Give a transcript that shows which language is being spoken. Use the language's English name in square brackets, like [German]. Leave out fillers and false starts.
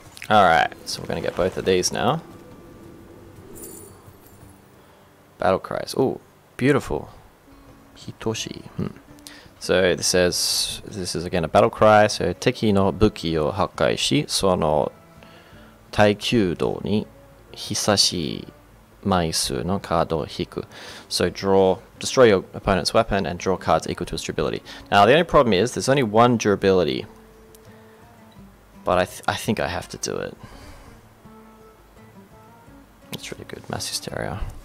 [English] Alright, so we're gonna get both of these now. Battle cries. Ooh, beautiful. Hitoshi. So this says, this is again a battle cry. [Japanese] So, 敵の武器を破壊し、その耐久度に久しい枚数のカードを引く。 [English] So, destroy your opponent's weapon and draw cards equal to its durability. Now, the only problem is there's only one durability. But I think I have to do it. It's really good. Mass hysteria.